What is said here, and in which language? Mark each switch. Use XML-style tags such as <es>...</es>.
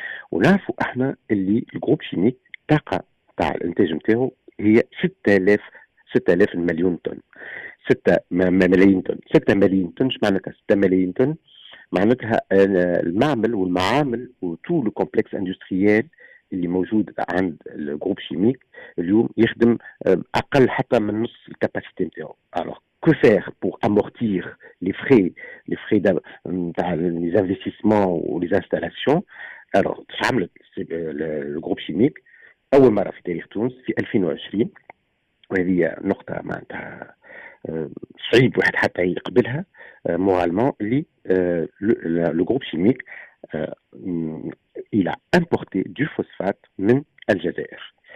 <ar>ونعرفوا احنا اللي الجروب شيميك طاقة تاع الانتاج نتاعو هي 6000 مليون طن، 6 ملايين طن. اش معناتها 6 ملايين طن؟ معناتها المعمل والمعامل وطول الكومبلكس اندستريال اللي موجود عند الجروب شيميك اليوم يخدم اقل حتى من نص الكاباسيتي نتاعو.</ar> <fr>alors que faire pour amortir les frais des investissements ou les installations.</fr> <ar>alors ش عملت الجروب شيميك اول مره في تاريخ تونس في 2020، وهذه نقطه ما انت صعيب واحد حتى يقبلها moralement. لي لو جروب شيميك</ar> <fr>il a importé du phosphate</fr> <ar>من الجزائر.</ar>